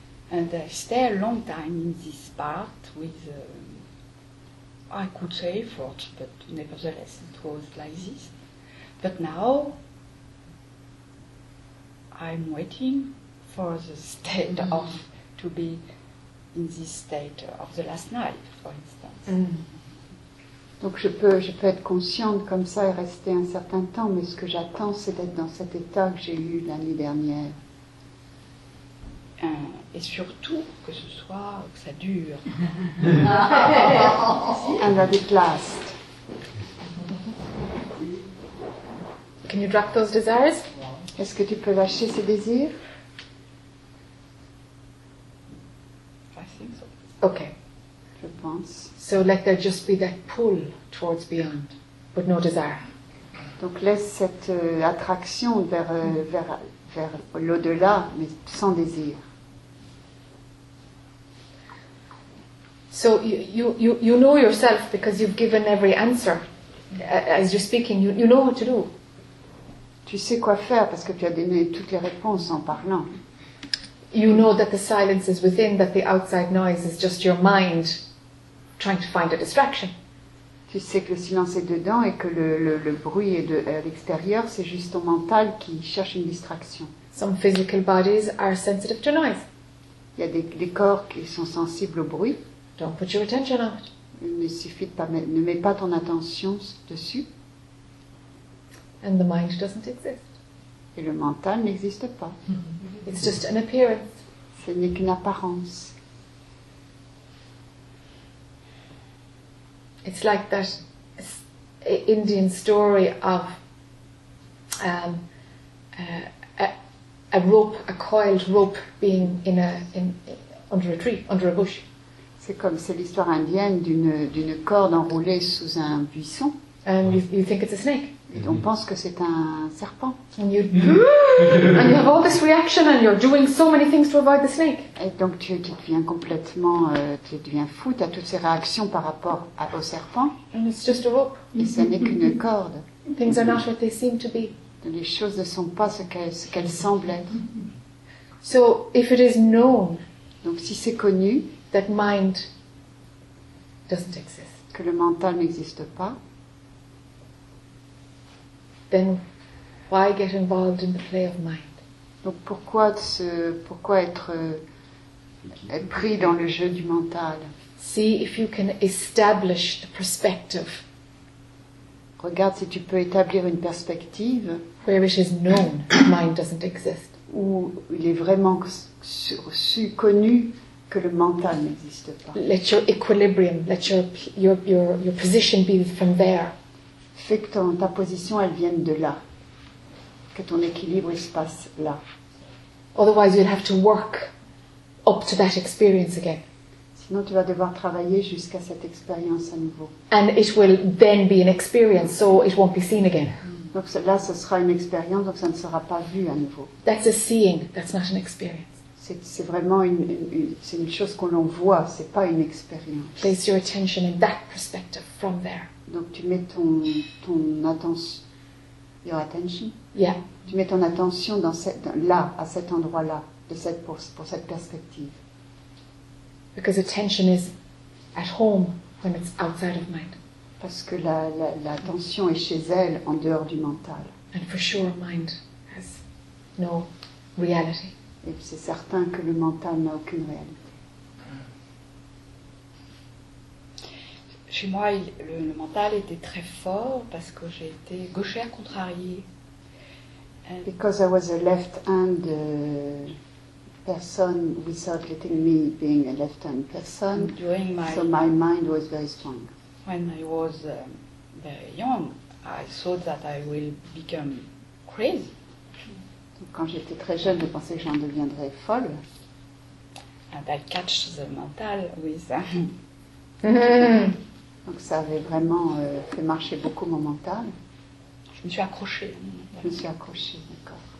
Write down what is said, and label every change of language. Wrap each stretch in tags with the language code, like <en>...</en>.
<en>And I stay a long time in this part with, I could say effort, but nevertheless it was like this. But now, I'm waiting for the state of, to be in this state of the last night, for instance. Mm.</en> <fr>Donc je peux être consciente comme ça et rester un certain temps, mais ce que j'attends c'est d'être dans cet état que j'ai eu l'année dernière. Et surtout que ce soit que ça dure.</fr> <en>And that it lasts. Can you drop those desires?</en> <fr>Est-ce que tu peux lâcher ces désirs?</fr> <en>Okay.</en> <fr>Je pense.</fr> <en>So let there just be that pull towards beyond, but no desire.</en> <fr>Donc laisse cette attraction vers l'au-delà, mais sans désir.</fr> <en>So you know yourself because you've given every answer as you're speaking. You know what to do.</en> <fr>Tu sais quoi faire parce que tu as donné toutes les réponses en parlant.</fr> <en>You know that the silence is within, that the outside noise is just your mind trying to find a distraction.</en> <fr>Tu sais que le silence est dedans et que le bruit est à l'extérieur, c'est juste ton mental qui cherche une distraction.</fr> <en>Some physical bodies are sensitive to noise.</en> <fr>Il y a des corps qui sont sensibles au bruit.</fr> <en>Don't put your attention on it.</en> <fr>Ne mets pas ton attention dessus.</fr> <en>And the mind doesn't exist.</en> <fr>Et le mental n'existe pas.</fr> <en>It's just an appearance.</en> <fr>Ce n'est qu'une apparence.</fr> <en>It's like that Indian story of a coiled rope being under a tree, under a bush.</en> <fr>C'est l'histoire indienne d'une corde enroulée sous un buisson.</fr> <en>And you think it's a snake.</en> <fr>Et on pense que c'est un serpent.</fr> <en>And you and you have all this reaction and you're doing so many things to avoid the snake.</en> <fr>Et donc tu deviens complètement tu deviens fou, tu as toutes ces réactions par rapport au serpent.</fr> <en>And it's just a rope.</en> <fr>Et ce n'est qu'une corde.</fr> <en>Things are not what they seem to be.</en> <fr>Donc, les choses ne sont pas ce qu'elles semblent être.</fr> <en>So if it is known,</en> <fr>donc si c'est connu,</fr> <en>that mind doesn't exist.</en> <fr>Que le mental n'existe pas.</fr> <en>Then why get involved in the play of mind?</en> <fr>Donc pourquoi être pris dans le jeu du mental?</fr> <en>See if you can establish the perspective.</en> <fr>Regarde si tu peux établir une perspective.</fr> <en>Where it is known, mind doesn't exist.</en> <fr>Où il est vraiment connu. Que le mental n'existe pas.</fr> <en>Let your equilibrium, let your position be from there.</en> <fr>Fais que ta position elle vienne de là, que ton équilibre se passe là.</fr> <en>Otherwise, you'll have to work up to that experience again.</en> <fr>Sinon, tu vas devoir travailler jusqu'à cette expérience à nouveau.</fr> <en>And it will then be an experience, so it won't be seen again.</en> <fr>Donc là, ce sera une expérience, donc ça ne sera pas vu à nouveau.</fr> <en>That's a seeing. That's not an experience.</en> <fr>C'est vraiment une chose que l'on voit, c'est pas une expérience.</fr> <en>Place your attention in that perspective from there.</en> <fr>Donc tu mets ton attention,</fr> <en>your attention. Yeah.</en> <fr>Tu mets ton attention à cet endroit-là, pour cette perspective.</fr> <en>Because attention is at home when it's outside of mind.</en> <fr>Parce que l'attention est chez elle, en dehors du mental.</fr> <en>And for sure, mind has no reality.</en> <fr>Et c'est certain que le mental n'a aucune réalité. Chez moi, le mental était très fort parce que j'ai été gauchère contrariée.</fr> <en>Because I was a left-hand person, without letting me being a left-hand person, so my mind was very strong. When I was very young, I thought that I will become crazy.</en> <fr>Quand j'étais très jeune, je pensais que j'en deviendrais folle.</fr> <en>And I catch the mental with that.</en> <fr>Donc ça avait vraiment fait marcher beaucoup mon mental. Je me suis accrochée. Je me suis accrochée, d'accord.</fr>